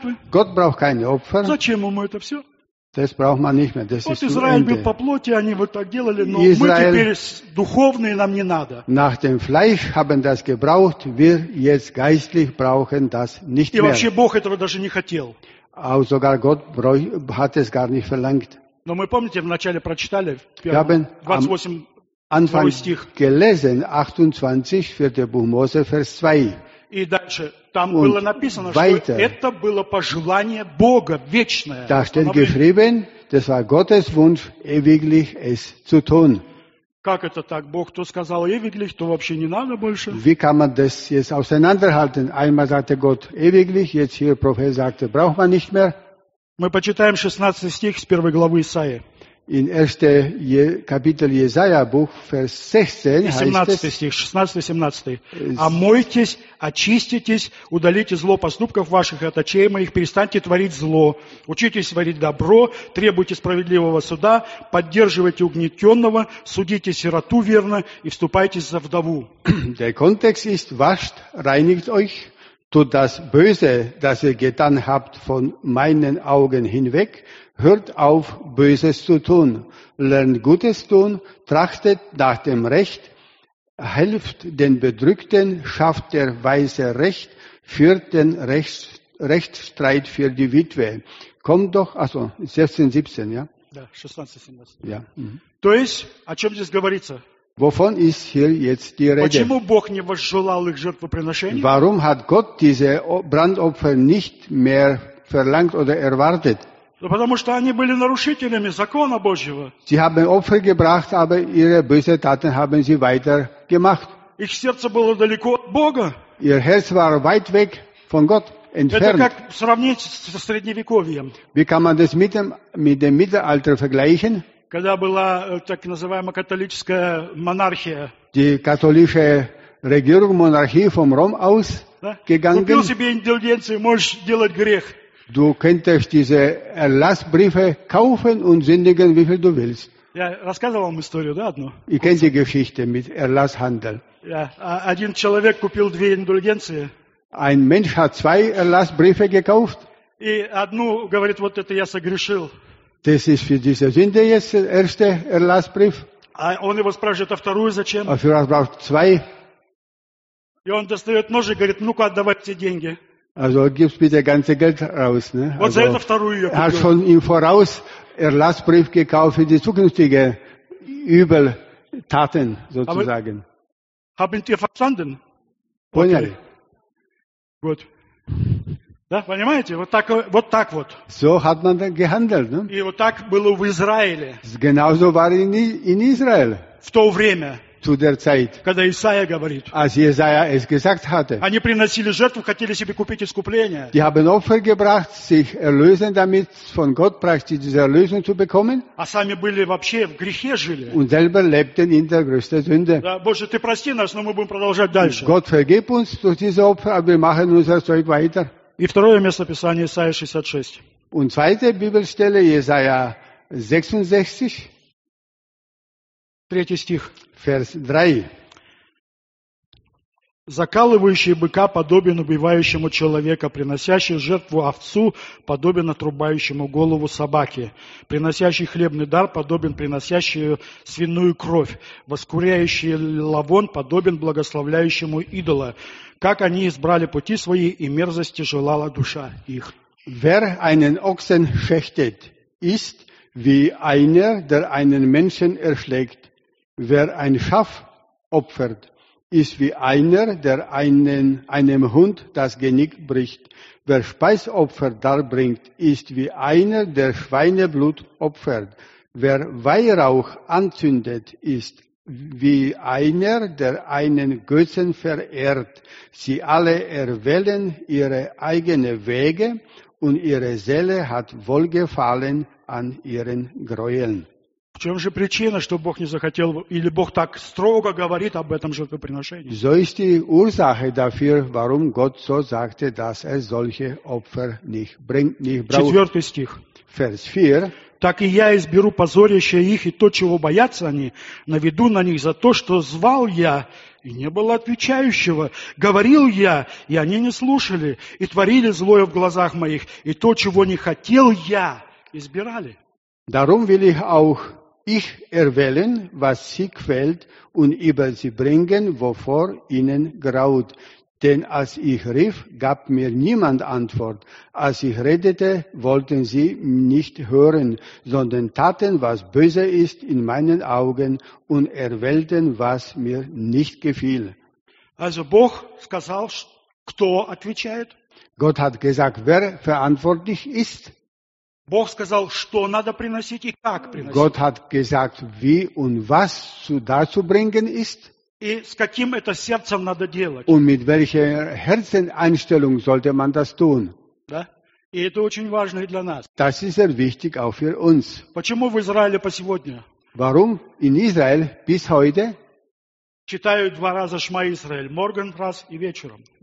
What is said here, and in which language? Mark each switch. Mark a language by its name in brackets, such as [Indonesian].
[German] Gott braucht keine Opfer. Das braucht man nicht mehr. Das [Russian] вот [German] ist [Russian] Израиль [German] Ende. [Russian] Был по плоти, они вот так делали, но Израиль, мы теперь духовные, нам не надо. [German] Nach dem Fleisch haben das gebraucht, wir jetzt geistlich brauchen das nicht [Russian] И [German] mehr. [Russian] Вообще Бог этого даже не хотел. [German] Auch sogar Gott hat es gar nicht verlangt. [Russian] Но мы, помните, вначале прочитали, [German] wir haben 28, am Anfang gelesen, 28, 4. Buch Mose, Vers 2. [Russian] И дальше, там [German] und [Russian] было написано, [German] weiter, [Russian] что это было пожелание Бога, вечное. [German] Da steht geschrieben, das war Gottes Wunsch, ewiglich es zu tun. [Russian] Как это так? Бог то сказал ewiglich, то вообще не надо больше. [German] Wie kann man das jetzt auseinanderhalten? Einmal sagte Gott ewiglich, jetzt hier Prophet sagte, braucht man nicht mehr. [Russian] Мы почитаем 16 стих с 1 главы Исаии. [German] In 1. Kapitel Jesaja Buch, Vers 16, 16-17. [Russian] Омойтесь, очиститесь, удалите зло поступков ваших от очей моих, перестаньте творить зло, учитесь творить добро, требуйте справедливого суда, поддерживайте угнетенного, судите сироту верно и вступайте за вдову. [German] Der Kontext ist, wascht, reinigt euch, tut das Böse, das ihr getan habt, von meinen Augen hinweg. Hört auf, Böses zu tun, lernt Gutes tun, trachtet nach dem Recht, helft den Bedrückten, schafft der Weise Recht, führt den Rechtsstreit für die Witwe. Kommt doch, also 16, 17, ja? Ja, 16, 17. Ja. [Russian] То есть, о чем здесь говорится? [German] Wovon ist hier jetzt die Rede? [Russian] Почему Бог не возжелал их жертвоприношений? [German] Warum hat Gott diese Brandopfer nicht mehr verlangt oder erwartet? [Russian] Потому что они были нарушителями закона Божьего. [German] Sie haben Opfer gebracht, aber ihre böse Taten haben sie weiter gemacht. [Russian] Их сердце было далеко от Бога. [German] Ihr Herz war weit weg von Gott, entfernt. [Russian] Это как сравнить со средневековьем? [German] Wie kann man das mit dem Mittelalter vergleichen? [Russian] Когда была так называемая католическая монархия. [German] Die katholische Regierung, Monarchie vom Rom aus gegangen. [Russian] Купил себе индульгенцию, можешь делать грех. [German] Du könntest diese Erlassbriefe kaufen und sündigen, wie viel du willst. [Russian] Я рассказывал вам историю, да, одну? [German] Ich kenne die Geschichte mit Erlasshandel. Ja, [Russian] один человек купил две индульгенции. [German] Ein Mensch hat zwei Erlassbriefe gekauft. [Russian] И одну говорит, вот это я согрешил. [German] Das ist für diese Sünde jetzt der erste Erlassbrief. [Russian] А он его спрашивает, а вторую зачем? А [German] für was braucht zwei? [Russian] И он достает нож и говорит, ну-ка, отдавай все деньги. [German] Also gibst bitte ganze Geld raus. Ne? [Russian] Вот [German] also, [Russian] за это вторую я купил. [German] Hast schon im Voraus Erlassbrief gekauft für die zukünftigen Übeltaten, sozusagen. Haben Sie verstanden? [Russian] Поняли. [German] Gut. [Russian] Да, понимаете? Вот так. [German] So hat man dann gehandelt. Ne? [Russian] И вот так было в Израиле. [German] Genauso war in Israel. [Russian] В то время. [German] Zu der Zeit, [Russian] когда Исаия говорит, [German] als Jesaja es gesagt hatte, [Russian] они приносили жертву, хотели себе купить искупление. [German] Die haben Opfer gebracht, sich erlösen damit, von Gott praktisch diese Erlösung zu bekommen. [Russian] А сами были вообще в грехе жили. [German] Und selber lebten in der größten Sünde. [Russian] Да, Боже, ты прости нас, но мы будем продолжать дальше. [German] Gott vergib uns durch diese Opfer, aber wir machen unser Zeug weiter. [Russian] И второе место Писания, Исаия 66. [German] Und zweite Bibelstelle, Jesaja 66. [Russian] Третий стих. [German] Vers 3. [Russian] Закалывающий быка подобен убивающему человека, приносящий жертву овцу подобен отрубающему голову собаки, приносящий хлебный дар подобен приносящему свиную кровь, воскуряющий лавон подобен благословляющему идола. Как они избрали пути свои, и мерзости желала душа их. [German] Wer einen Ochsen schächtet, ist wie einer, der einen Menschen erschlägt. Wer ein Schaf opfert, ist wie einer, der einem Hund das Genick bricht. Wer Speisopfer darbringt, ist wie einer, der Schweineblut opfert. Wer Weihrauch anzündet, ist wie einer, der einen Götzen verehrt. Sie alle erwählen ihre eigenen Wege und ihre Seele hat Wohlgefallen an ihren Gräueln. [Russian] В чем же причина, что Бог не захотел, или Бог так строго говорит об этом жертвоприношении? [German] So ist die Ursache dafür, warum Gott so sagte, dass er solche Opfer nicht braucht. [Russian] Четвертый стих. [German] Vers 4. [Russian] Так и я изберу позорящее их и то, чего боятся они, наведу на них за то, что звал я, и не было отвечающего. Говорил я, и они не слушали, и творили злое в глазах моих, и то, чего не хотел я, избирали. [German] Darum will ich auch ich erwählen, was sie quält und über sie bringen, wovor ihnen graut. Denn als ich rief, gab mir niemand Antwort. Als ich redete, wollten sie nicht hören, sondern taten, was böse ist in meinen Augen und erwählten, was mir nicht gefiel. Also, [Russian] Бог сказал, кто отвечает? [German] Gott hat gesagt, wer verantwortlich ist. [Russian] Бог сказал, что надо приносить и как приносить. [German] Gott hat gesagt, wie und was dazu bringen ist. [Russian] И с каким это сердцем надо делать. [German] Und mit welcher Herzeneinstellung sollte man das tun. [Russian] Да? И это очень важно для нас. [German] Das ist sehr wichtig auch für uns. [Russian] Почему в Израиле по сегодня? [German] Warum in Israel bis heute? [Russian] Читают два раза Шма Израиль, [German] morgen [Russian] раз и вечером.